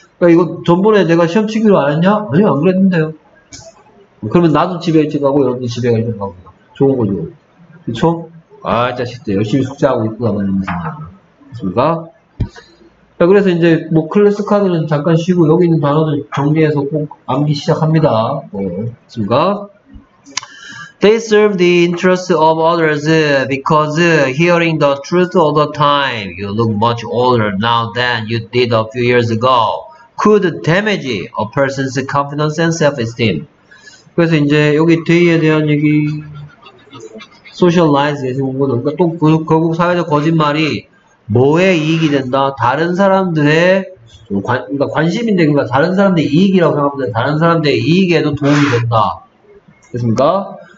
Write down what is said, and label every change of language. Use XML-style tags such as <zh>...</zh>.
<ko>그러니까 이거 전번에 내가 시험 치기로 안 했냐? 아니 안 그랬는데요 그러면 나도 지배일 줄 알고 여러분도 지배일 줄 알고 좋은 거죠. 그쵸? 아, 자식들, 열심히 숙제하고 있구나, 그런 생각. 자, 그래서 이제, 뭐, 클래스 카드는 잠깐 쉬고, 여기 있는 단어들 정리해서 꼭 암기 시작합니다. 뭐, 그렇습니까?</ko> <en>They serve the interests of others because hearing the truth all the time, you look much older now than you did a few years ago, could damage a person's confidence and self-esteem.</en> <ko>그래서 이제 여기 데이에 대한 얘기, socialize에서 온 거는, 그러니까 또 결국 사회적 거짓말이 뭐에 이익이 된다? 다른 사람들의 그러니까 관심인데, 그러니까 다른 사람들의 이익이라고 생각하면 다른 사람들의 이익에도 도움이 된다. 됐습니까?</ko>